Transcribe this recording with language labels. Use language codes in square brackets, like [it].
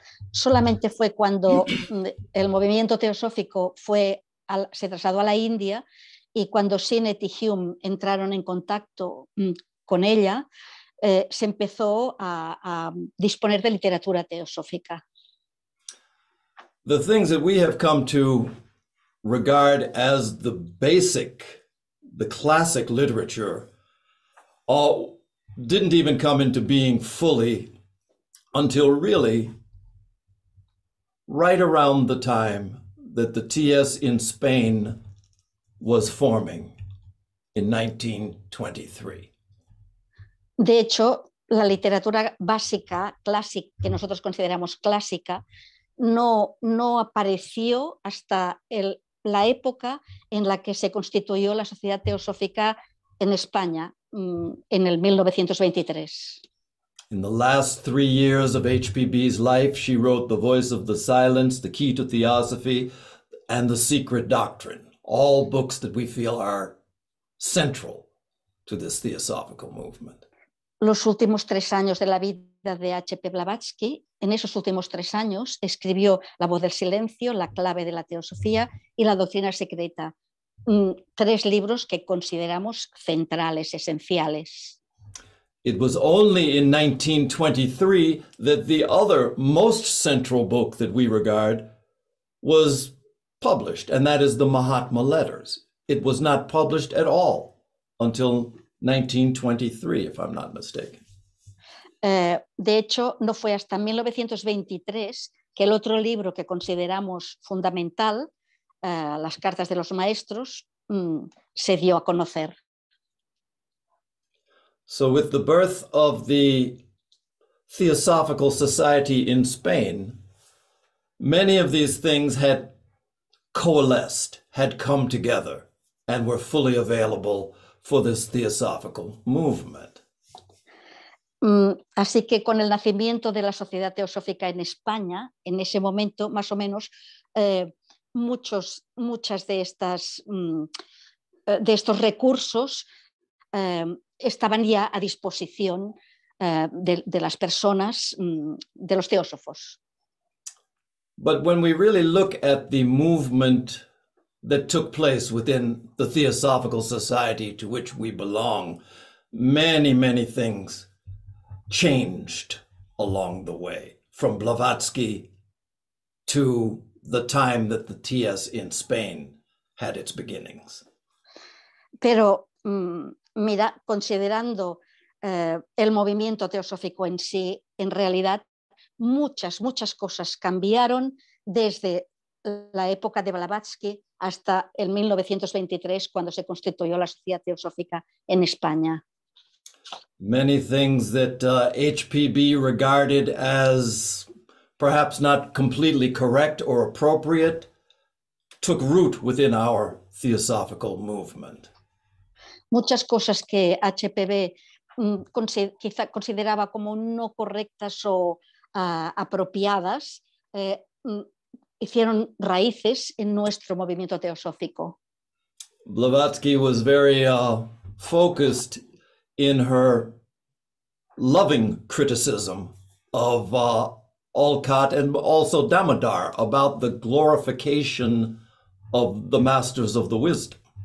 [es] Solamente fue cuando el movimiento teosófico se trasladó a la India y cuando Sinnett y Hume entraron en contacto con ella, se empezó a disponer de literatura teosófica. [en] The things that we have come to regard as the basic, the classic literature, all didn't even come into being fully until really right around the time that the TS in Spain was forming in 1923. [es] De hecho, la literatura básica, clásica, que nosotros consideramos clásica, no apareció hasta la época en la que se constituyó la Sociedad Teosófica en España, en el 1923. [en] In the last 3 years of HPB's life, she wrote The Voice of the Silence, The Key to Theosophy, and The Secret Doctrine, all books that we feel are central to this theosophical movement. [es] Los últimos tres años de la vida de H.P. Blavatsky, en esos últimos tres años, escribió La Voz del Silencio, La Clave de la Teosofía y La Doctrina Secreta, tres libros que consideramos centrales, esenciales. [en] It was only in 1923 that the other most central book that we regard was published, and that is the Mahatma Letters. It was not published at all until 1923, if I'm not mistaken. [es] De hecho, no fue hasta 1923 que el otro libro que consideramos fundamental, Las Cartas de los Maestros, se dio a conocer. [en] So with the birth of the Theosophical Society in Spain, many of these things had coalesced, had come together, and were fully available for this theosophical movement. [es] Así que con el nacimiento de la Sociedad Teosófica en España, en ese momento, más o menos, muchas de estas de estos recursos estaban ya a disposición de las personas, de los teósofos. [en] But when we really look at the movement that took place within the Theosophical Society to which we belong, many, many things changed along the way, from Blavatsky to the time that the TS in Spain had its beginnings. [es] Pero mira, considerando el movimiento teosófico en sí, en realidad muchas, muchas cosas cambiaron desde la época de Blavatsky hasta el 1923, cuando se constituyó la Sociedad Teosófica en España. [en] Many things that HPB regarded as perhaps not completely correct or appropriate took root within our theosophical movement. [es] Muchas cosas que HPB quizá consideraba como no correctas o apropiadas hicieron raíces en nuestro movimiento teosófico. [en] Blavatsky was very focused in her loving criticism of Olcott and also Damodar about the glorification of the masters of the wisdom.